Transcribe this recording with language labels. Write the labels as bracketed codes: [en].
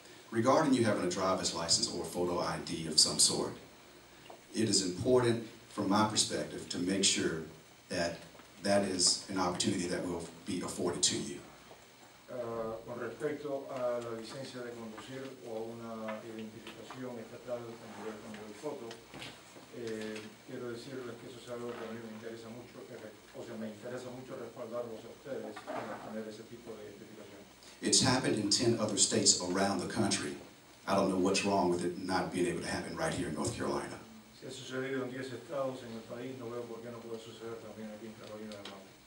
[en] Regarding you having a driver's license or a photo ID of some sort, it is important from my perspective to make sure that that is an opportunity that will be afforded to you. [es] Con respecto a la licencia de conducir o a una identificación estatal con el foto, quiero decirles que eso es algo que a mí me interesa mucho, me interesa mucho respaldarlos a ustedes para tener ese tipo de identificación. [en] It's happened in 10 other states around the country. I don't know what's wrong with it not being able to happen right here in North Carolina. [es] Si ha sucedido en 10 estados en el país, no veo por qué no puede suceder también aquí en Carolina del Norte.